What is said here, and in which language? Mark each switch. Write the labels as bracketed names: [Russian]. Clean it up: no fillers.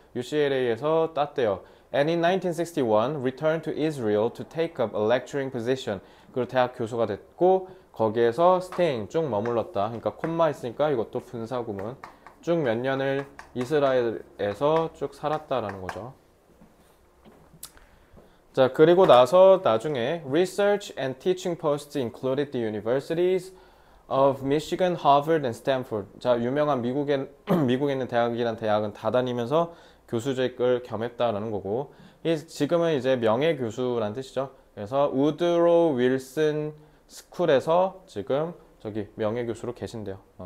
[Korean] UCLA에서 땄대요. [English] And in 1961, returned to Israel to take up a lecturing position. [Korean] 그리고 대학 교수가 됐고 거기에서 staying 쭉 머물렀다. 그러니까 콤마 있으니까 이것도 분사구문. 쭉몇 년을 이스라엘에서 쭉 살았다라는 거죠. 자, 그리고 나서 나중에 [English] research and teaching posts included the universities of Michigan, Harvard, and Stanford. [Korean] 자, 유명한 미국에 있는 대학이란 대학은 다 다니면서 교수직을 겸했다라는 거고, 지금은 이제 명예 교수란 뜻이죠. 그래서 우드로 윌슨 스쿨에서 지금 저기 명예 교수로 계신대요.